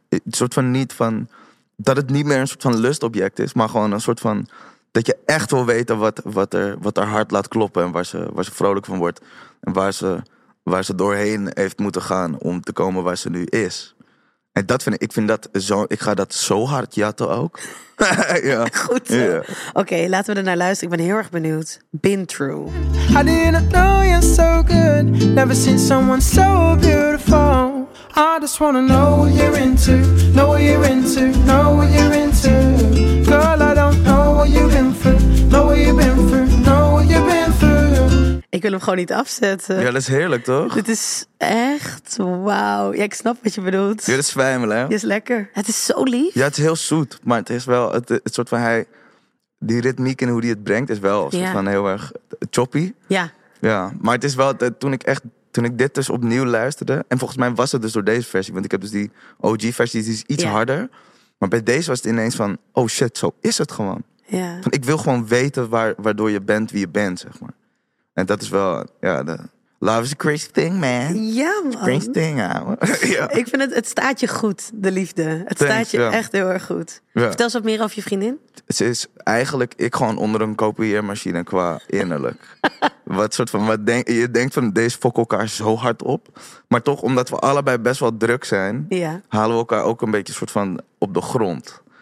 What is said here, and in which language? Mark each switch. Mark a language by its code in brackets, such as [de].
[nl] Een soort van niet van, dat het niet meer een soort van lustobject is, maar gewoon een soort van, dat je echt wil weten wat haar hart laat kloppen en waar ze vrolijk van wordt. En waar ze doorheen heeft moeten gaan om te komen waar ze nu is. En dat vind dat zo. Ik ga dat zo hard jatten ook. Ja. Goed. Ja. Oké, laten we er naar luisteren. Ik ben heel erg benieuwd. [en] Been through. I didn't know you're so good. Never seen someone so beautiful. I just wanna know what you're into. Know what you're into. Know what you're into. Girl, I don't know what you've been through. Know what you've been through. Know what you've been through. [nl] Ik wil hem gewoon niet afzetten. Ja, dat is heerlijk, toch? Dit is echt, wauw. Ja, ik snap wat je bedoelt. Ja, dat is zwijmelen, hè? Dat is lekker. Het is zo lief. Ja, het is heel zoet. Maar het is wel het soort van hij... Die ritmiek en hoe die het brengt is wel soort van heel erg choppy. Ja. Ja, maar het is wel... Toen ik dit dus opnieuw luisterde... En volgens mij was het dus door deze versie. Want ik heb dus die OG-versie, die is iets harder. Maar bij deze was het ineens van... Oh shit, zo is het gewoon. Ja. Van, ik wil gewoon weten waardoor je bent wie je bent, zeg maar. En dat is wel... [en] Ja, Love is a crazy thing, man. [nl] Ja, man. [en] Crazy thing, man. Ja. [nl] Ik vind het staat je goed, de liefde. Het staat je echt heel erg goed. Ja. Vertel eens wat meer over je vriendin. Ze is eigenlijk ik gewoon onder een kopieermachine qua innerlijk. je denkt van deze fokken elkaar zo hard op. Maar toch, omdat we allebei best wel druk zijn, halen we elkaar ook een beetje soort van op de grond.